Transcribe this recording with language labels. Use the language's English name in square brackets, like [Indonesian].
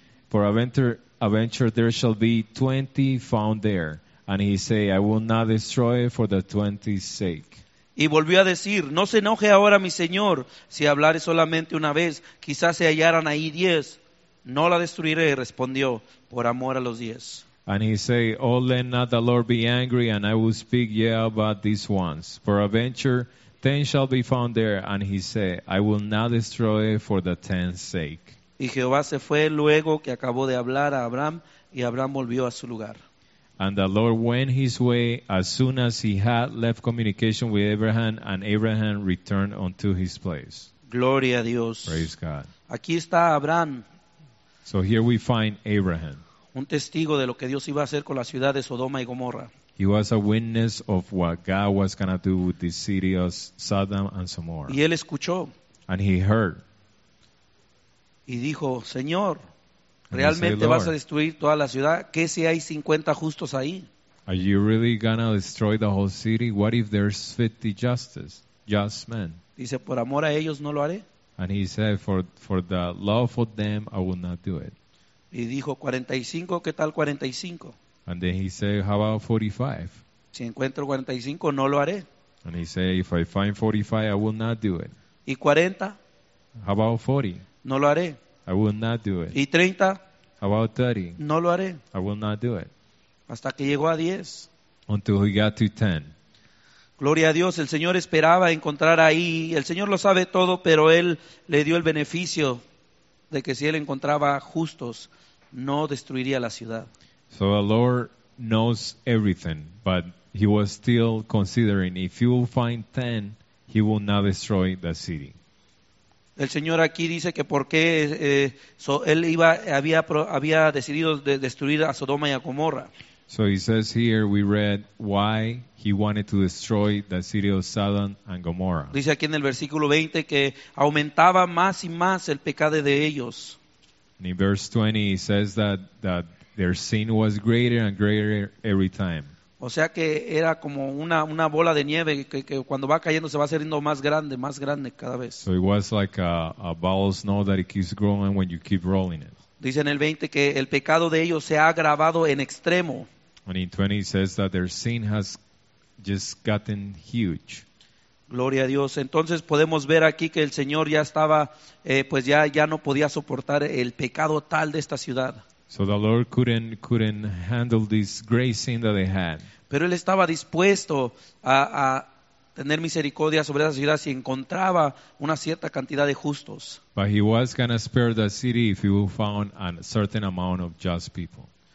[English] Peradventure there shall be 20 found there. And he said, I will not destroy it for the 20's sake. [Spanish] Y volvió a decir, no se enoje ahora mi señor si hablare solamente una vez. Quizás se hallaran ahí 10. No la destruiré, respondió, por amor a los 10. [English] And he said, oh, let not the Lord be angry, and I will speak yet about these ones. For adventure, 10 shall be found there. And he said, I will not destroy it for the 10's sake. [Spanish] Y Jehová se fue luego que acabó de hablar a Abraham, y Abraham volvió a su lugar. [English] And the Lord went his way as soon as he had left communication with Abraham, and Abraham returned unto his place. [Spanish] Gloria a Dios. [English] Praise God. [Spanish] Aquí está Abraham. [English] So here we find Abraham. [Spanish] Un testigo de lo que Dios iba a hacer con la ciudad de Sodoma y Gomorra. [English] He was a witness of what God was going to do with the city of Sodom and Gomorrah. [Spanish] Y él escuchó. [English] And he heard. [Spanish] Y dijo, Señor, ¿realmente vas a destruir toda la ciudad? ¿Qué si hay 50 justos ahí? [English] Are you really going to destroy the whole city? What if there's 50 just men? [Spanish] Dice, por amor a ellos no lo haré. [English] And he said, for the love of them, I will not do it. [Spanish] Y dijo, 45, ¿qué tal 45? [English] And then he said, how about 45? [Spanish] Si encuentro 45, no lo haré. [English] And he said, if I find 45, I will not do it. [Spanish] ¿Y 40? [English] How about 40? [Spanish] No lo haré. [English] I will not do it. [Spanish] ¿Y 30? [English] How about 30? [Spanish] No lo haré. [English] I will not do it. [Spanish] Hasta que llegó a 10. [English] Until he got to 10. [Spanish] Gloria a Dios, el Señor esperaba encontrar ahí, el Señor lo sabe todo, pero Él le dio el beneficio de que si Él encontraba justos, no destruiría la ciudad. [English] So the Lord knows everything, but He was still considering, if you will find 10, He will not destroy the city. [Spanish] El Señor aquí dice que porque había decidido destruir a Sodoma y a Gomorra. [English] So he says here, we read why he wanted to destroy the city of Sodom and Gomorrah. [Spanish] Dice aquí en el versículo 20 que aumentaba más y más el pecado de ellos. [English] And in verse 20, he says that their sin was greater and greater every time. [Spanish] O sea que era como una bola de nieve que cuando va cayendo se va haciendo más grande cada vez. [English] So it was like a ball of snow that it keeps growing when you keep rolling it. [Spanish] Dice en el 20 que el pecado de ellos se ha agravado en extremo. [English] And in 20 it says that their sin has just gotten huge. [Spanish] Gloria a Dios. Entonces podemos ver aquí que el Señor ya estaba, ya no podía soportar el pecado tal de esta ciudad. [English] So the Lord couldn't handle this great sin that they had. [Spanish] Pero Él estaba dispuesto a tener misericordia sobre esa ciudad si encontraba una cierta cantidad de justos. [English] But he was going to spare the city if he found a certain amount of just people.